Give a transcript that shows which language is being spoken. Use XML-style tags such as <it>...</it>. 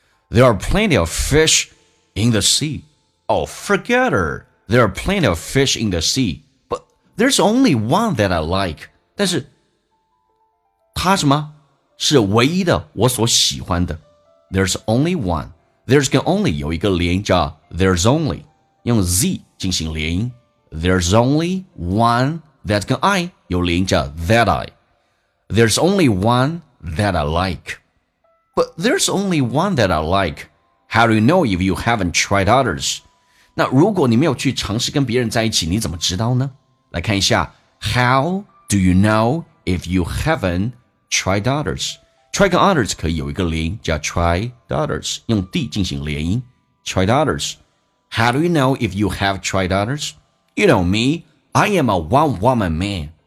<en>There are plenty of fish in the sea。 Oh forget her， There are plenty of fish in the sea， But there's only one that I like。</en> <zh>但是它什么是唯一的我所喜欢的。</zh> <en>There's only one，</en> <zh>There's 跟 only 有一个连音叫</zh> <en>There's only，</en> <zh>用 z 进行连音。</zh> <en>There's only one that</en> <zh>跟 I 有连叫</zh> <en>that I。 There's only one that I like。 But there's only one that I like。 How do you know if you haven't tried others？</en> <zh>那如果你没有去尝试跟别人在一起，你怎么知道呢？来看一下</zh> <en>How do you know if you haven't tried others？</en> <zh>Try 跟 others 可以有一个连叫</zh> <en>tried others，</en> <zh>用 D 进行连音 tried others。</zh> <en>How do you know if you have tried others？ You know me, I am a one-woman man.</en>